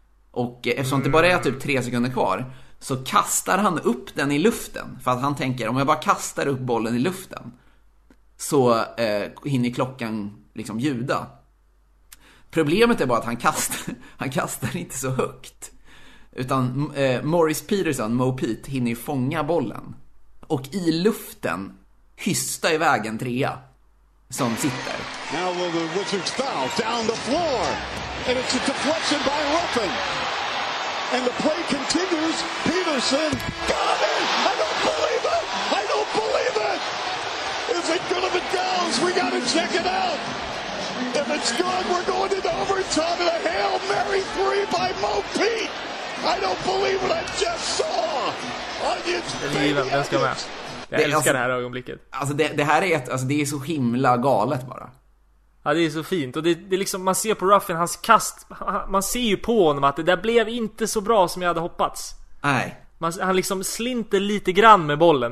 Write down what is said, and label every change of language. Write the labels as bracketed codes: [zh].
[sv] Och eftersom det bara är typ 3 sekunder kvar så kastar han upp den i luften, för att han tänker, om jag bara kastar upp bollen i luften så hinner klockan liksom ljuda. Problemet är bara att han kastar inte så högt, utan Morris Peterson, Mo Pete, hinner ju fånga bollen och i luften hysta i vägen 3 som sitter. [en] Now will the Wizards foul down the floor, and it's a deflection by Ruffin, and the play continues. Peterson got it. I don't believe it. Is it gonna be Downs? We gotta check it out. If it's good, we're going into overtime, and a Hail Mary 3 by Mo Pete. I don't believe what I just saw. Onions, baby, onions. [sv] Jag älskar alltså, det här ögonblicket. Alltså det här är ett, alltså det är så himla galet bara. Ja, det är så fint. Och det liksom, man ser på Ruffin, hans kast, man ser ju på honom att det där blev inte så bra som jag hade hoppats. Nej. Han liksom slinter lite grann med bollen.